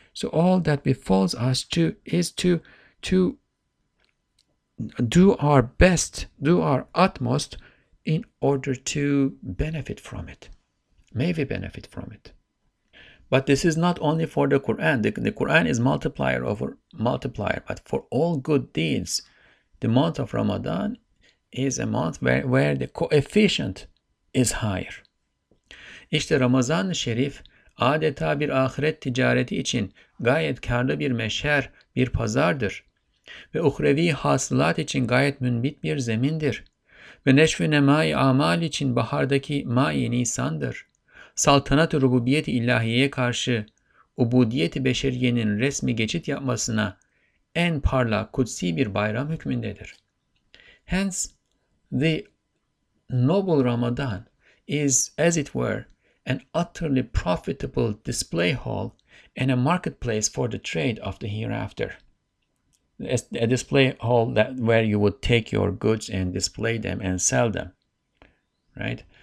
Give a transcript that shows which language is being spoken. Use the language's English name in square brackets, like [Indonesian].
[English] So all that befalls us is to do our best, do our utmost in order to benefit from it. May we benefit from it. But this is not only for the Quran. The Quran is multiplier over multiplier, but for all good deeds, the month of Ramadan is a month where the coefficient is higher. [Turkish] İşte Ramazan-ı Şerif adeta bir ahiret ticareti için gayet karlı bir meşher, bir pazardır. Ve uhrevi hasılat için gayet münbit bir zemindir. Ve neşv-i nemai amal için bahardaki mai nisandır. Saltanat-ı rububiyet-i ilahiyeye karşı ubudiyet-i beşeriyenin resmi geçit yapmasına en parlak kutsi bir bayram hükmündedir. [English] Hence, the noble Ramadan is, as it were, an utterly profitable display hall and a marketplace for the trade of the hereafter. A display hall that where you would take your goods and display them and sell them, right?